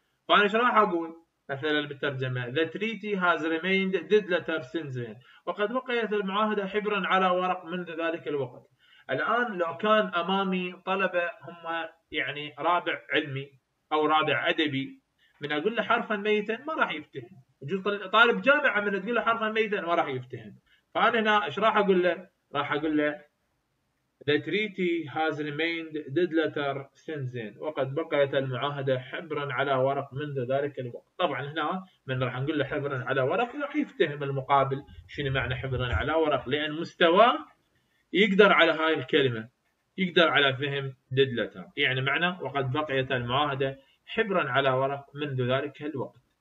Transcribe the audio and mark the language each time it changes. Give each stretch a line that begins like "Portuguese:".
Arabic: فأنا إيش راح أقول مثلا بالترجمة؟
English: The treaty has remained dead letter since then،
Arabic: وقد بقيت المعاهدة حبرا على ورق منذ ذلك الوقت. الآن لو كان أمامي طلبة هم يعني رابع علمي أو رابع أدبي، من أقول له حرفا ميتا ما راح يفتهم. يجوز طالب جامعة من أقول له حرفا ميتا ما راح يفتهم. فأنا هنا إيش راح أقول له؟ راح أقول له
English: The treaty has remained dead letter since then.
Arabic: وقد بقيت المعاهدة حبرا على ورق منذ ذلك الوقت. طبعا هنا من راح نقول له حبرا على ورق راح يفتهم المقابل شنو معنى حبرا على ورق، لأن مستوى يقدر على هاي الكلمة، يقدر على فهم
English: dead letter
Arabic: يعني معنى وقد بقيت المعاهدة حبرا على ورق منذ ذلك الوقت.